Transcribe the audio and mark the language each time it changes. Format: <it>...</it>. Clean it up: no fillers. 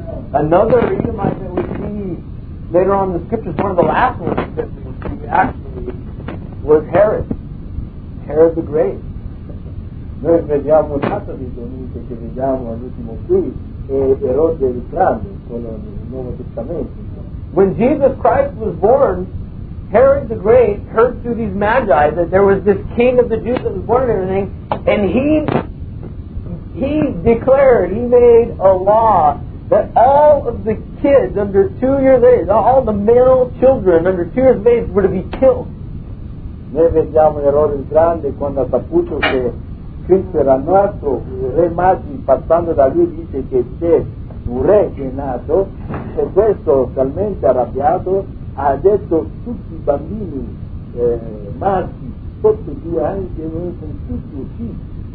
<en>Another Edomite that we see later on in the scriptures, one of the last ones that was Herod. Herod the Great.</en> <it>Noi vediamo un altro di Domenico che vediamo all'ultimo qui, e Erode il Grande, quello del Nuovo Testamento.</it> <en>When Jesus Christ was born, Herod the Great heard through these magi that there was this king of the Jews that was born and everything, and he declared, he made a law that all of the kids under 2 years of age, all the male children under 2 years of age were to be killed.</en> <it>Noi vediamo Erode il Grande quando ha saputo che Cristo era nato, il re Magi passando da lui dice che c'è un re che è nato, e questo talmente arrabbiato ha detto tutti i bambini maschi sotto 2 anni che non sono tutti usciti.</it>